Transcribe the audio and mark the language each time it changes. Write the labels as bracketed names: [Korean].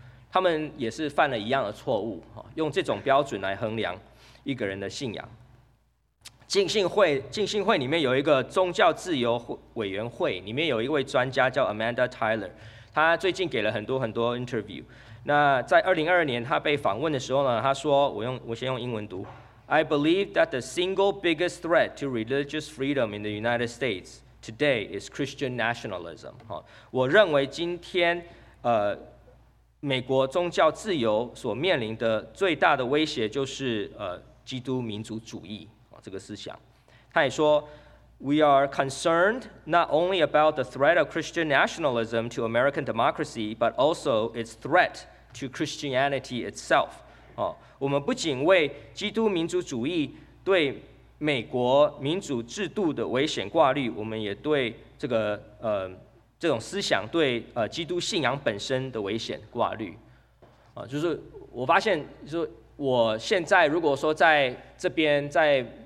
[Chinese] 他们也是犯了一样的错误，用这种标准来衡量一个人的信仰。浸信会里面有一个宗教自由委员会，里面有一位专家叫 Amanda Tyler， 他最近给了很多 interview。那在2022年他被访问的时候呢，他说，我先用英文读 [English] ：I believe that the single biggest threat to religious freedom in the United States today is Christian nationalism。 [Chinese] 我认为今天美国宗教自由所面临的最大的威胁就是基督民族主义。这个思想，他也说 [English] ，We are concerned not only about the threat of Christian nationalism to American democracy, but also its threat to Christianity itself。 [Chinese] 哦，我们不仅为基督民族主义对美国民主制度的危险挂虑，我们也对这个这种思想对基督信仰本身的危险挂虑。就是我发现，就是我现在如果说在这边在。